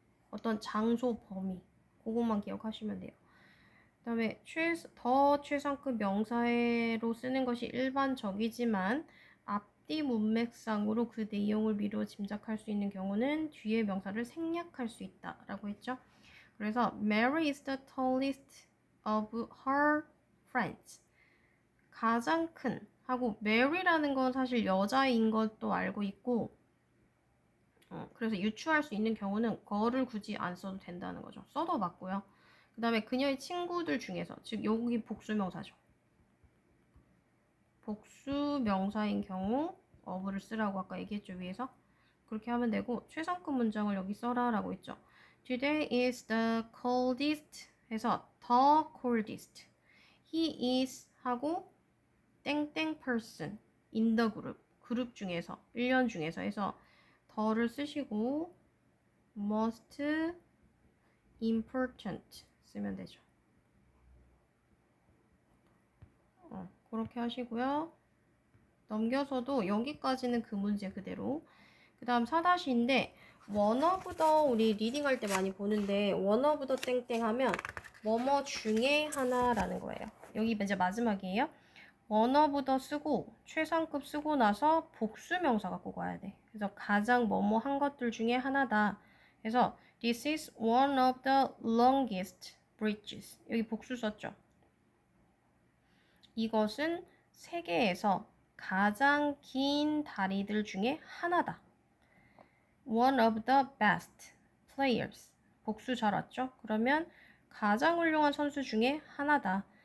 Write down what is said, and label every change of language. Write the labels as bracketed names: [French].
[Korean] 어떤 장소 범위. 그것만 기억하시면 돼요. 그 다음에 더 최상급 명사로 쓰는 것이 일반적이지만, 앞뒤 문맥상으로 그 내용을 미루어 짐작할 수 있는 경우는 뒤에 명사를 생략할 수 있다라고 했죠. 그래서 [English] Mary is the tallest of her friends. [Korean] 가장 큰 하고, Mary라는 건 사실 여자인 것도 알고 있고, 그래서 유추할 수 있는 경우는 girl을 굳이 안 써도 된다는 거죠. 써도 맞고요. 그 다음에 그녀의 친구들 중에서, 즉 여기 복수명사죠. 복수명사인 경우 of를 쓰라고 아까 얘기했죠, 위에서. 그렇게 하면 되고, 최상급 문장을 여기 써라 라고 했죠. [English] Today is the coldest [Korean] 해서 [English] the coldest. He is [Korean] 하고 땡땡 [English] person in the group. [Korean] 그룹 중에서, 1년 중에서 해서 the를 쓰시고, [English] most important [Korean] 쓰면 되죠. 그렇게 하시고요. 넘겨서도 여기까지는 그 문제 그대로. 그 다음 4-2인데, [English] one of the, [Korean] 우리 리딩할 때 많이 보는데, one of the 땡땡 하면 뭐뭐 중에 하나라는 거예요. 여기 이제 마지막이에요. [English] one of the [Korean] 쓰고 최상급 쓰고 나서 복수명사 갖고 가야 돼. 그래서 가장 뭐뭐한 것들 중에 하나다. 그래서 [English] this is one of the longest bridges. [Korean] 여기 복수 썼죠? 이것은 세계에서 가장 긴 다리들 중에 하나다. [English] One of the best players. [Korean] 복수 잘 왔죠? 그러면 가장 훌륭한 선수 중에 하나다.